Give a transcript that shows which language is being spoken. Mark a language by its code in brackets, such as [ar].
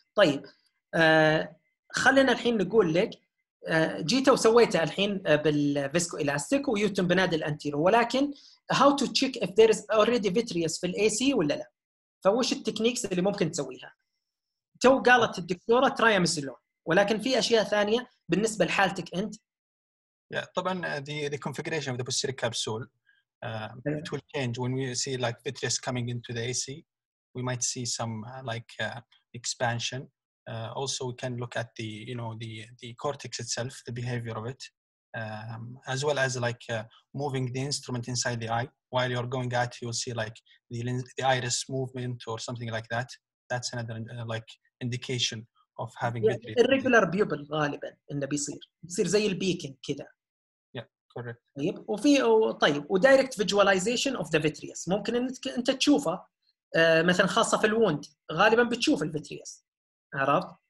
[ar] طيب خلينا الحين نقول لك جيت وسويته الحين بالفيسكو إلاستيك ويوتم بناد الأنتيرو، ولكن [en] how to check if there is already vitreous [ar] في الأي سي ولا لا؟ فوش التكنيكس اللي ممكن تسويها؟ تو قالت الدكتورة ترايامسلون، ولكن في أشياء ثانية بالنسبة لحالتك أنت. [en] Yeah. طبعاً the configuration of the posterior capsule. It will change when we see like vitreous coming into the AC. We might see some expansion. Also, we can look at the the cortex itself, the behavior of it, as well as moving the instrument inside the eye while you're going at. You'll see the iris movement or something like that. That's another indication of having vitreous. Irregular pupil, [ar] غالباً إنه بيصير زي البيكن كده. [en] Correct. [ar] طيب وفي طيب ودايركت فيجواليزيشن اوف ذا فيتريس ممكن انك انت تشوفه مثلا خاصه في الوند غالبا بتشوف الفيتريس، عرفت؟